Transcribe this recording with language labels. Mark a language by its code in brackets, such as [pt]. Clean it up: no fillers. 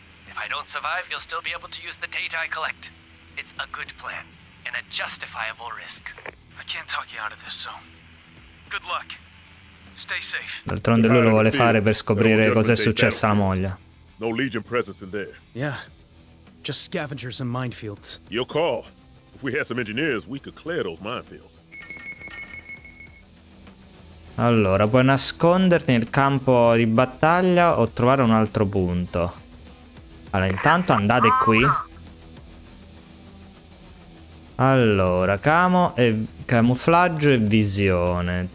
[en] If I don't survive, you'll still be able to use the data I collect. It's a good plan and a justifiable risk. I can't talk you out of this, so good luck. Stay safe. [it] D'altronde lui lo vuole fare per scoprire cosa è successo alla moglie. [en] No Legion presence in there. Yeah. Just scavengers and minefields. Your call. If we had some engineers, we could clear those minefields. [it] Allora, puoi nasconderti nel campo di battaglia o trovare un altro punto. Allora, intanto andate qui. Allora, camo e camuflaggio e visione.